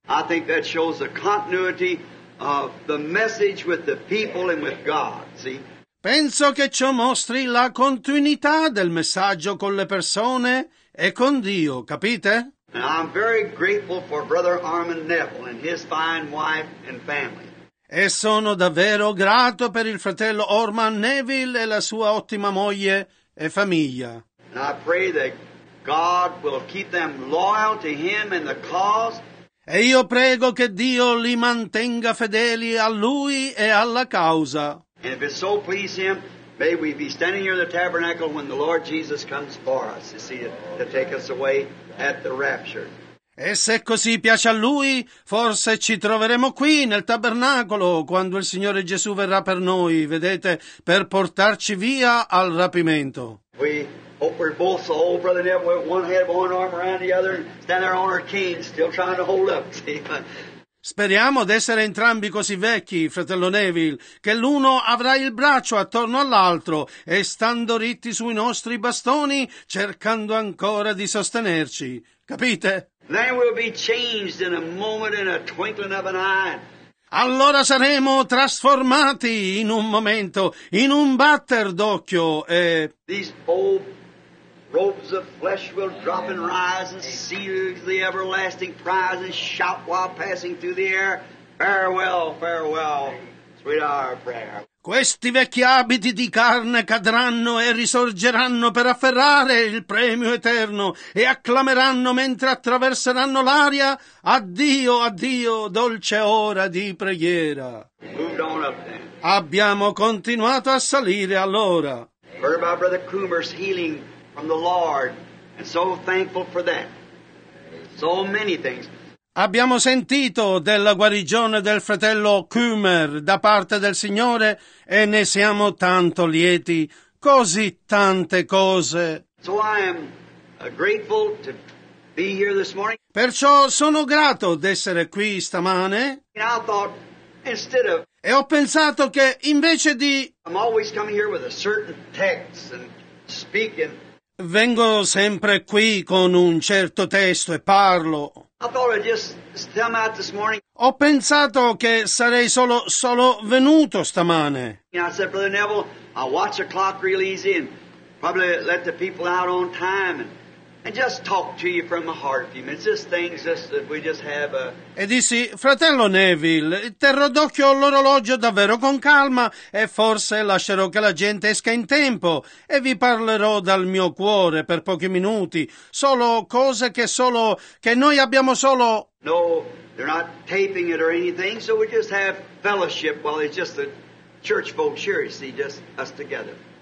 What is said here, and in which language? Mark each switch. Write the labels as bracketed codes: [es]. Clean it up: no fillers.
[en] I think that shows a continuity of the message with the people and with God, see? [it] Penso che ciò mostri la continuità del messaggio con le persone e con Dio, capite? [en] And I'm very grateful for Brother Armin Neville and his fine wife and family. [it] E sono davvero grato per il fratello Armin Neville e la sua ottima moglie e famiglia. [en] And I pray that God will keep them loyal to him and the cause. [it] E io prego che Dio li mantenga fedeli a Lui e alla causa. [en] And if it so please Him, may we be standing here in the tabernacle when the Lord Jesus comes for us, you see, to take us away at the rapture. [it] E se così piace a Lui, forse ci troveremo qui nel tabernacolo quando il Signore Gesù verrà per noi, vedete, per portarci via al rapimento. [en] We hope we're both so old, Brother Neville, with one head, one arm around the other, and stand there on our canes, still trying to hold up. [it] Speriamo d'essere entrambi così vecchi, fratello Neville, che l'uno avrà il braccio attorno all'altro e stando ritti sui nostri bastoni, cercando ancora di sostenerci. Capite? [en] Then we'll be changed in a moment, in a twinkling of an eye. [it] Allora saremo trasformati in un momento, in un batter d'occhio e [en] these old robes of flesh will drop and rise and seal the everlasting prize and shout while passing through the air, farewell, farewell, sweetheart prayer. [it] Questi vecchi abiti di carne cadranno e risorgeranno per afferrare il premio eterno e acclameranno mentre attraverseranno l'aria, addio, addio, dolce ora di preghiera. Abbiamo continuato a salire allora. [en] Heard about Brother Coomer's healing from the Lord, and so thankful for that. So many things. [it] Abbiamo sentito della guarigione del fratello Coomer da parte del Signore e ne siamo tanto lieti. Così tante cose. [en] So I am grateful to be here this morning. [it] Perciò sono grato d'essere qui stamane. [en] And I thought, instead of, [it] e ho pensato che invece di [en] I'm always coming here with a certain text and speaking. [it] Vengo sempre qui con un certo testo e parlo. [en] I thought I'd just come out this morning. [it] Ho pensato che sarei solo venuto stamane. [en] And I said, Brother Neville, I watch the clock real easy and probably let the people out on time and just talk to you from the heart a few minutes. Just things just that we just have a... [it] E dissi, fratello Neville, terrò d'occhio l'orologio davvero con calma e forse lascerò che la gente esca in tempo e vi parlerò dal mio cuore per pochi minuti. Solo cose che solo... che noi abbiamo solo... [en] No, they're not taping it or anything, so we just have fellowship while it's just the church folks here, you see, just us together.